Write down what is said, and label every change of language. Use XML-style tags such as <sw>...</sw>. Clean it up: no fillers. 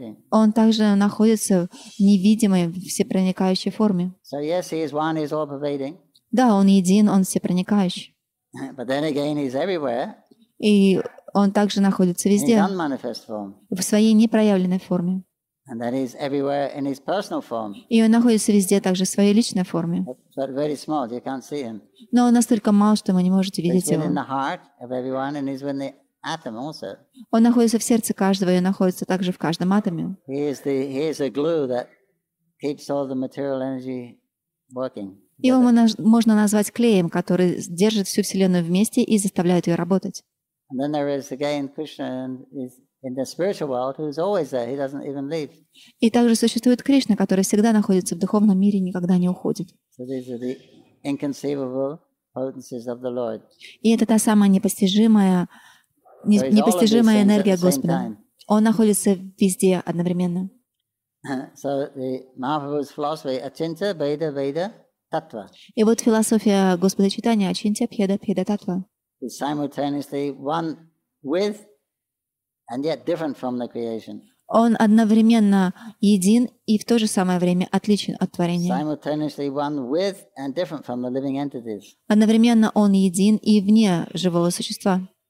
<ru>Он также находится в невидимой, всепроникающей форме.</ru> <en>So yes, he is one, he is all pervading.</en> <ru>Да, он един, он всепроникающий.</ru> <en>But then again, he's everywhere.</en> <ru>И он также находится везде,</ru> <en>in his unmanifest form.</en> <ru>В своей непроявленной форме.</ru> <en>And that is everywhere in his personal form.</en> <ru>И он находится везде также в своей личной форме.</ru> <en>But very small, you can't see him.</en> <ru>Но он настолько мал, что вы не можете видеть</ru> <en>he's</en> <ru>его.</ru> <en>In the heart of everyone, and he's in the atom also.</en> <ru>Он находится в сердце каждого, и он находится также в каждом атоме.</ru> <en>He is the glue that keeps all the material energy working.</en> <ru>Его можно назвать клеем, который держит всю Вселенную вместе и заставляет ее работать.</ru> <en>And then there is again Krishna and his in the spiritual world, who's always there, he doesn't even leave.</en> <ru>И также существует Кришна, который всегда находится в духовном мире и никогда не уходит.</ru> <en>So these are the inconceivable potencies of the Lord.</en> <ru>И это та самая непостижимая энергия Господа. Он находится везде одновременно.</ru> <en>So the Mahaprabhu's philosophy, Achintya Bheda Bheda Tattva.</en> <ru>И вот философия Господа Чайтаньи, Achintya Bheda Bheda Tattva.</ru> <en>Is simultaneously one with and yet different from the creation.</en> <ru>Он одновременно един и в то же самое время отличен от творения.</ru> <en>Simultaneously one with and different from the living entities.</en> <ru>Одновременно он един и вне живого существа.</ru>